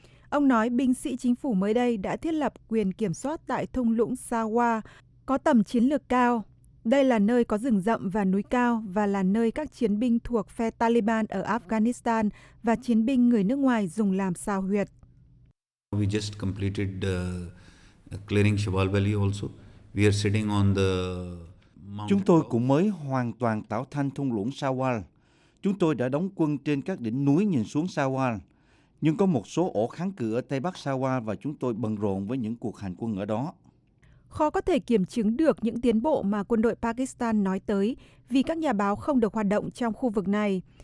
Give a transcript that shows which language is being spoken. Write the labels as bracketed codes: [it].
[vi] Ông nói binh sĩ chính phủ mới đây đã thiết lập quyền kiểm soát tại thung lũng Sawa có tầm chiến lược cao. Đây là nơi có rừng rậm và núi cao và là nơi các chiến binh thuộc phe Taliban ở Afghanistan và chiến binh người nước ngoài dùng làm sao huyệt. [en] We just completed the clearing Shabal Valley also. We are sitting on the mountain. [vi] Chúng tôi cũng mới hoàn toàn tạo thành thung lũng Sawal. Chúng tôi đã đóng quân trên các đỉnh núi nhìn xuống Sawal. Nhưng có một số ổ kháng cự ở Tây Bắc Sawal và chúng tôi bận rộn với những cuộc hành quân ở đó. Khó có thể kiểm chứng được những tiến bộ mà quân đội Pakistan nói tới vì các nhà báo không được hoạt động trong khu vực này.